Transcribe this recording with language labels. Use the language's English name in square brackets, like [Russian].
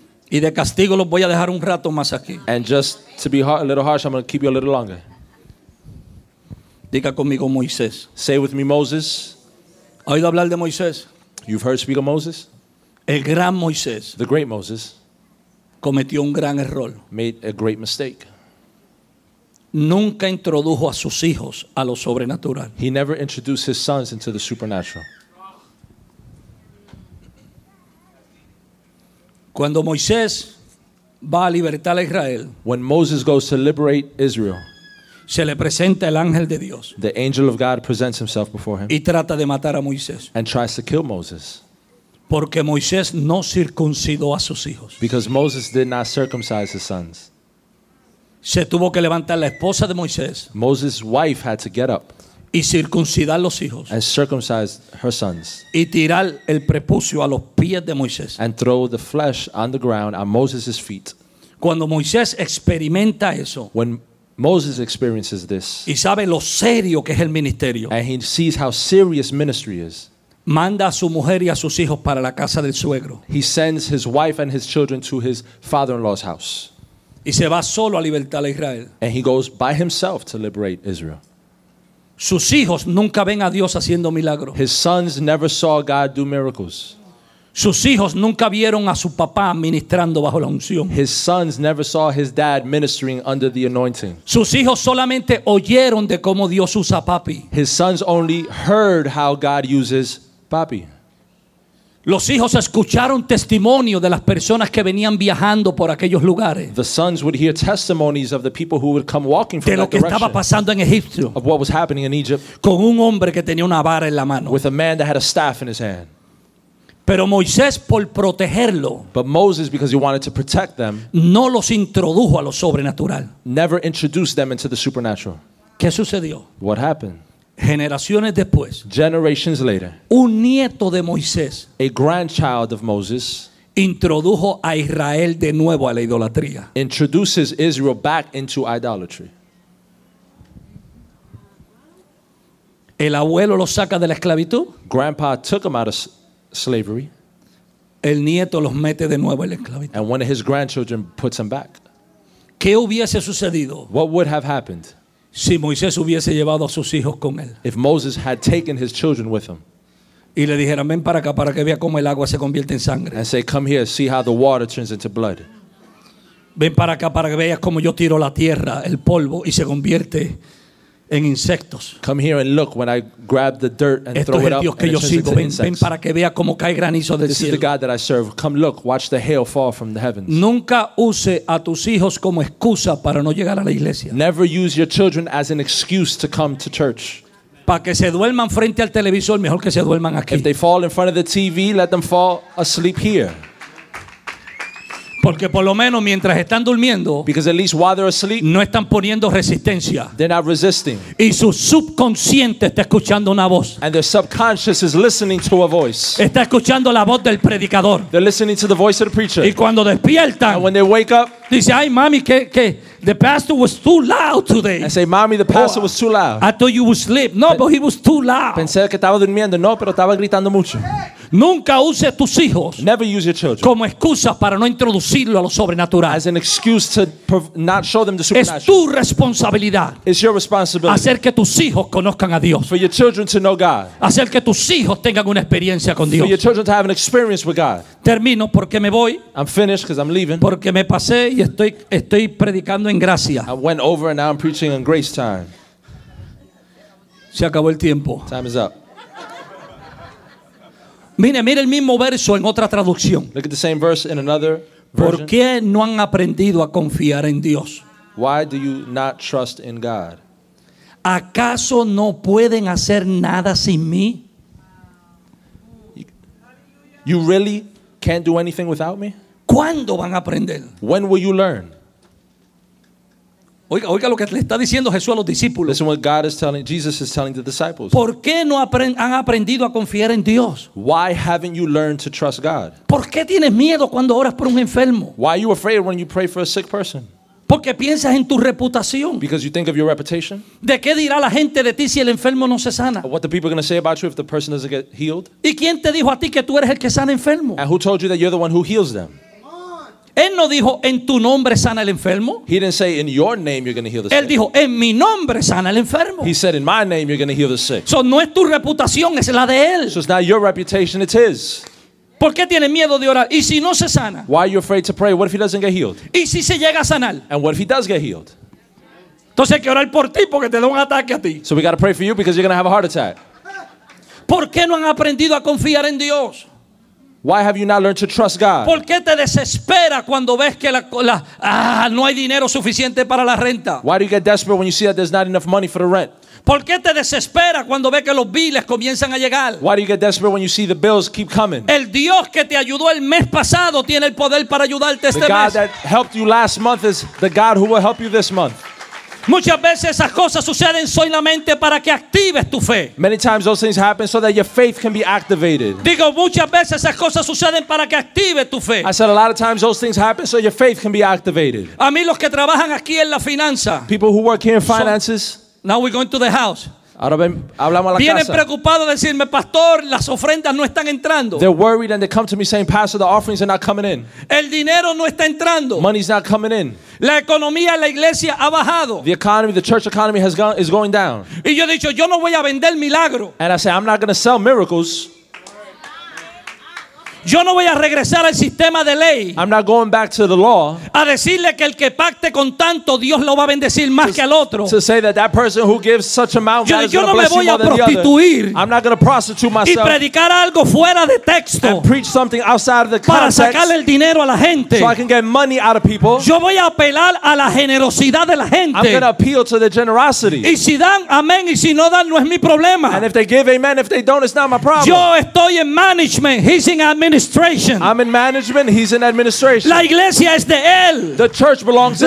[Spanish] Y de castigo los voy a dejar un rato más aquí. [English] And just to be hard, a little harsh, I'm going to keep you a little longer. [Spanish] Diga conmigo Moisés. [English] Say with me Moses. [Spanish] ¿Ha oído hablar de Moisés? [English] You've heard speak of Moses? [Spanish] El gran Moisés. [English] The great Moses. [Spanish] Cometió un gran error. [English] Made a great mistake. [Spanish] Nunca introdujo a sus hijos a lo sobrenatural. [English] He never introduced his sons into the supernatural. [Spanish] Cuando Moisés va a libertar a Israel, [English] when Moses goes to liberate Israel, [Spanish] se le presenta el ángel de Dios. [English] The angel of God presents himself before him. [Spanish] Y trata de matar a Moisés. [English] And tries to kill Moses. [Spanish] Porque Moisés no circuncidó a sus hijos. [English] Because Moses did not circumcise his sons. [Spanish] Se tuvo que levantar la esposa de Moisés. [English] Moses' wife had to get up. [Spanish] Y circuncidar los hijos. [English] And circumcise her sons. [Spanish] Y tirar el prepucio a los pies de Moisés. [English] And throw the flesh on the ground at Moses' feet. [Spanish] Cuando Moisés experimenta eso. [English] When Moses experiences this. [Spanish] Y sabe lo serio que es el ministerio. [English] And he sees how serious ministry is. [Spanish] Manda a su mujer y a sus hijos para la casa del suegro. [English] He sends his wife and his children to his father-in-law's house. [Spanish] Y se va solo a libertar a Israel. [English] And he goes by himself to liberate Israel. [Spanish] Sus hijos nunca ven a Dios haciendo milagros. [English] His sons never saw God do miracles. [Spanish] Sus hijos nunca vieron a su papá ministrando bajo la unción. [English] His sons never saw his dad ministering under the anointing. [Spanish] Sus hijos solamente oyeron de cómo Dios usa papi. [English] His sons only heard how God uses papi. [Spanish] Los hijos escucharon testimonio de las personas que venían viajando por aquellos lugares. [English] The sons would hear testimonies of the people who would come walking from that direction. [Spanish] De lo que estaba pasando en Egipto. [English] Of what was happening in Egypt. [Spanish] Con un hombre que tenía una vara en la mano. [English] With a man that had a staff in his hand. [Spanish] Pero Moisés, por protegerlo, [English] but Moses, because he wanted to protect them, [Spanish] no los introdujo a lo sobrenatural. [English] Never introduced them into the supernatural. [Spanish] ¿Qué sucedió? [English] What happened? [Spanish] Generaciones después, [English] generations later, [Spanish] un nieto de Moisés, [English] a grandchild of Moses, [Spanish] introdujo a Israel de nuevo a la idolatría. [English] Introduces Israel back into idolatry. [Spanish] El abuelo lo saca de la esclavitud. [English] Grandpa took him out of slavery. [Spanish] El nieto los mete de nuevo a la esclavitud. [English] And one of his grandchildren puts him back. [Spanish] ¿Qué hubiese sucedido? [English] What would have happened? [Spanish] si Moisés hubiese llevado a sus hijos con él. [English] If Moses had taken his children with him. [Spanish] Y le dijeron, ven para acá para que vea cómo el agua se convierte en sangre. [English] And say, come here, see how the water turns into blood. [Spanish] Ven para acá para que veas cómo yo tiro la tierra, el polvo, y se convierte en insectos. [English] Come here and look when I grab the dirt and [Spanish] esto [English] throw [Spanish] es el [English] it [Spanish] Dios [English] up [Spanish] que yo sigo. Ven para que veas cómo cae granizo del [English] This [Spanish] cielo. [English] This is the God that I serve. Come look, watch the hail fall from the heavens. [Spanish] Nunca use a tus hijos como excusa para no llegar a la iglesia. [English] Never use your children as an excuse to come to church. [Spanish] Para que se duerman frente al televisor, mejor que se duerman aquí. [English] If they fall in front of the TV, let them fall asleep here. [Spanish] Porque por lo menos mientras están durmiendo, [English] because at least while they're asleep, [Spanish] no están poniendo resistencia. [English] They're not resisting. [Spanish] Y su subconsciente está escuchando una voz. [English] And their subconscious is listening to a voice. [Spanish] Está escuchando la voz del predicador. [English] They're listening to the voice of the preacher. [Spanish] Y cuando despiertan, [English] and when they wake up, [Spanish] dice, ay mami, que [English] the pastor was too loud today. I say, mommy, the pastor was too loud. I thought you would sleep. No, but he was too loud. [Spanish] Pensé que estaba durmiendo. No, pero estaba gritando mucho. Nunca use a tus hijos. [English] Never use your children. [Spanish] Como excusa para no introducirlo a lo sobrenatural. [English] As an excuse to not show them the supernatural. [Spanish] Es tu responsabilidad. [English] It's your responsibility. [Spanish] Hacer que tus hijos conozcan a Dios. [English] For your children to know God. [Spanish] Hacer que tus hijos tengan una experiencia con Dios. [English] For your children to have an experience with God. [Spanish] Termino porque me voy. [English] I'm finished because I'm leaving. [Spanish] Porque me pasé y estoy predicando en gracia. [English] I went over and now I'm preaching in grace time. [Spanish] Se acabó el tiempo. [English] Time is up. [Spanish] Mire el mismo verso en otra traducción. [English] Look at the same verse in another version. [Spanish] ¿Por qué no han aprendido a confiar en Dios? [English] Why do you not trust in God? [Spanish] ¿Acaso no pueden hacer nada sin mí? [English] You really can't do anything without me? [Spanish] ¿Cuándo van a aprender? [English] When will you learn? [Spanish] Oiga lo que le está diciendo Jesús a los discípulos. [English] Listen what God is telling, Jesus is telling the disciples. [Spanish] ¿Por qué no han aprendido a confiar en Dios? [English] Why haven't you learned to trust God? [Spanish] ¿Por qué tienes miedo cuando oras por un enfermo? [English] Why are you afraid when you pray for a sick person? [Spanish] Porque piensas en tu reputación. [English] Because you think of your reputation. [Spanish] ¿De qué dirá la gente de ti si el enfermo no se sana? [English] What the people are going to say about you if the person doesn't get healed? [Spanish] ¿Y quién te dijo a ti que tú eres el que sana enfermo? [English] And who told you that you're the one who heals them? [Spanish] Él no dijo en tu nombre sana el enfermo. [English] He didn't say in your name you're going to heal the sick. [Spanish] Él dijo en mi nombre sana el enfermo. [English] He said in my name you're going to heal the sick. [Spanish] So no es tu reputación, es la de él. [English] So it's not your reputation, it's his. [Spanish] ¿Por qué tienes miedo de orar? ¿Y si no se sana? [English] Why are you afraid to pray? What if he doesn't get healed? [Spanish] ¿Y si se llega a sanar? [English] And what if he does get healed? [Spanish] Entonces hay que orar por ti porque te da un ataque a ti. [English] So we got to pray for you because you're going to have a heart attack. [Spanish] ¿Por qué no han aprendido a confiar en Dios? [English] Why have you not learned to trust God? [Spanish] ¿Por qué te desespera cuando ves que no hay dinero suficiente para la renta? [English] Why do you get desperate when you see that there's not enough money for the rent? [Spanish] ¿Por qué te desespera cuando ves que los biles comienzan a llegar? [English] Why do you get desperate when you see the bills keep coming? [Spanish] El Dios que te ayudó el mes pasado tiene el poder para ayudarte este mes. [English] The God that helped you last month is the God who will help you this month. [Spanish] Muchas veces esas cosas suceden solamente para que actives tu fe. [English] Many times those things happen so that your faith can be activated. [Spanish] Digo, muchas veces esas cosas suceden para que actives tu fe. [English] I said a lot of times those things happen so your faith can be activated. [Spanish] A mí los que trabajan aquí en la finanza. [English] People who work here in finances. So, now we're going to the house. [Spanish] Ahora ven, hablamos a la casa. Vienen preocupados a decirme, pastor, las ofrendas no están entrando. [English] They're worried and they come to me saying, pastor, the offerings are not coming in. [Spanish] El dinero no está entrando. [English] Money's not coming in. [Spanish] La economía, la iglesia ha bajado. [English] The economy, the church economy is going down. [Spanish] Y yo he dicho, yo no voy a vender milagros. [English] And I say, I'm not going to sell miracles. [Spanish] Yo no voy a regresar al sistema de ley. [English] I'm not going back to the law. [Spanish] A decirle que el que pacte con tanto Dios lo va a bendecir más que al otro. [English] To say that person who gives such amount, [Spanish] yo, [English] God [Spanish] yo [English] is [Spanish] no [English] bless [Spanish] me voy [English] you [Spanish] a prostituir. [English] I'm not going to prostitute myself. [Spanish] Y predicar algo fuera de texto. [English] And preach something outside of the [Spanish] para [English] context. [Spanish] Para sacarle el dinero a la gente. [English] So I can get money out of people. [Spanish] Yo voy a apelar a la generosidad de la gente. [English] I'm going to appeal to the generosity. [Spanish] Y si dan, amén, y si no dan, no es mi problema. [English] And if they give, amen. If they don't, it's not my problem. [Spanish] Yo estoy en management. [English] He's in admin. I'm in management, he's in administration. [Spanish] La iglesia es de él. [English] The church belongs to